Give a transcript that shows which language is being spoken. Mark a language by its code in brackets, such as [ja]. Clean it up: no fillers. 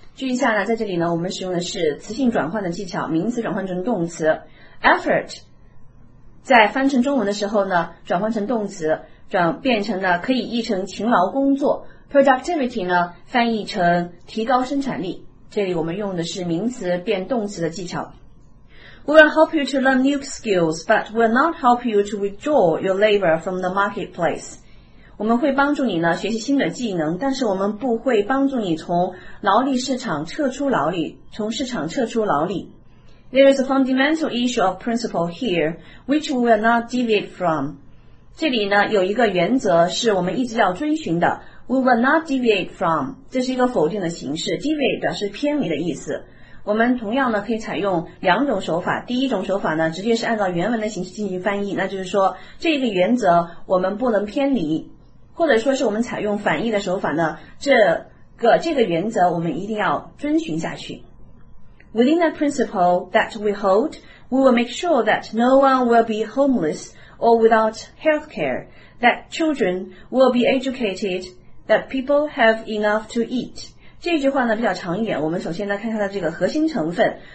[zh] 注意一下呢，在这里呢，我们使用的是词性转换的技巧，名词转换成动词。 Effort 在翻成中文的时候呢，转换成动词，转变成呢，可以译成勤劳工作。 Productivity 呢，翻译成提高生产力。这里我们用的是名词变动词的技巧。 [en] We'll help you to learn new skills, but will not help you to withdraw your labor from the marketplace. [zh] 我们会帮助你呢学习新的技能，但是我们不会帮助你从劳力市场撤出劳力，从市场撤出劳力。 [en] There is a fundamental issue of principle here, which we will not deviate from. [zh] 这里呢有一个原则是我们一直要遵循的。 [en] We will not deviate from. [zh] 这是一个否定的形式。Deviate 表示偏离的意思。我们同样呢可以采用两种手法，第一种手法呢直接是按照原文的形式进行翻译，那就是说这个原则我们不能偏离，或者说是我们采用反译的手法呢，这个原则我们一定要遵循下去。 [en] Within the principle that we hold we will make sure that no one will be homeless or without healthcare, that children will be educated, that people have enough to eat。 [zh] 这句话呢比较长一点，我们首先来看它的这个核心成分。